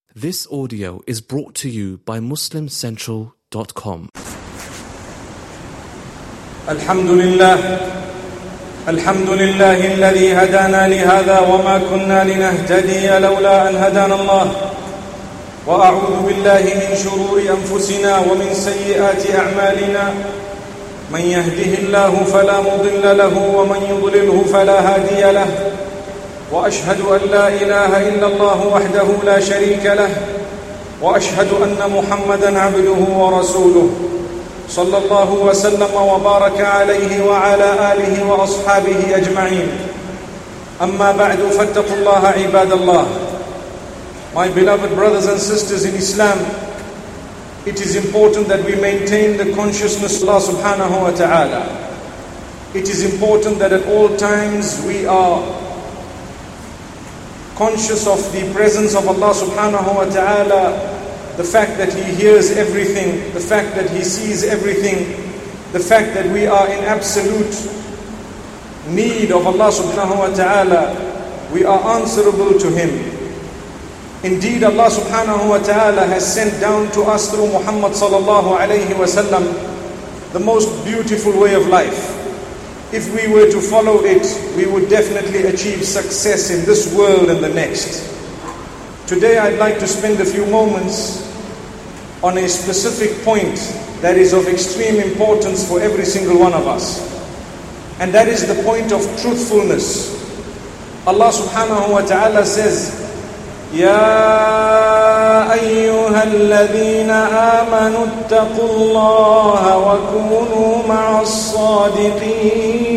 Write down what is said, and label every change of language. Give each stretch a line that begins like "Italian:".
English: This audio is brought to you by MuslimCentral.com.
Arabic: Alhamdulillah. Alhamdulillah الذي هدانا لهذا وما كنا لنهتدي لولا أن هدانا الله. وأعوذ بالله من شرور أنفسنا ومن سيئات أعمالنا. من يهده الله فلا مضل له ومن يضلله فلا هادي له. وأشهد أن لا إله إلا الله وحده لا شريك له وأشهد أن محمدًا عبده ورسوله صلى الله وسلم وبارك عليه وعلى آله وأصحابه أجمعين. أما بعد فاتقوا الله عباد الله.
English: My beloved brothers and sisters in Islam, it is important that we maintain the consciousness of Allah subhanahu wa ta'ala. It is important that at all times we are conscious of the presence of Allah subhanahu wa ta'ala, the fact that He hears everything, the fact that He sees everything, the fact that we are in absolute need of Allah subhanahu wa ta'ala, we are answerable to Him. Indeed, Allah subhanahu wa ta'ala has sent down to us through Muhammad sallallahu alayhi wa sallam the most beautiful way of life. If we were to follow it, we would definitely achieve success in this world and the next. Today I'd like to spend a few moments on a specific point that is of extreme importance for every single one of us. And that is the point of truthfulness. Allah subhanahu wa ta'ala says,
Arabic: يَا أَيُّهَا الَّذِينَ آمَنُوا اتَّقُوا اللَّهَ وَكُونُوا مَعَ الصَّادِقِينَ.